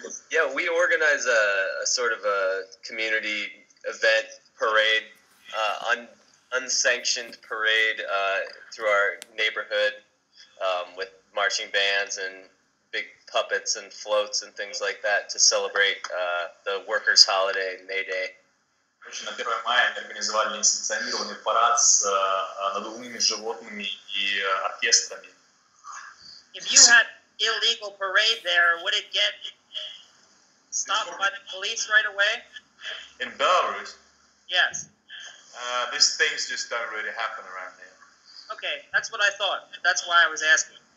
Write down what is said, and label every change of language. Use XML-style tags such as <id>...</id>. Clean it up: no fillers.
<en>Yeah, we organize a sort of a community event parade, unsanctioned parade through our neighborhood with marching bands and big puppets and floats and things like that to celebrate the workers' holiday, May Day.</en> <ru>Короче, на 1 мая они организовали несанкционированный парад с надувными животными и оркестрами.</ru> <en>If you had illegal parade there, would it get stopped by the police right away? In Belarus? Yes. These things just don't really happen around here. Okay, that's what I thought. That's why I was asking.</en>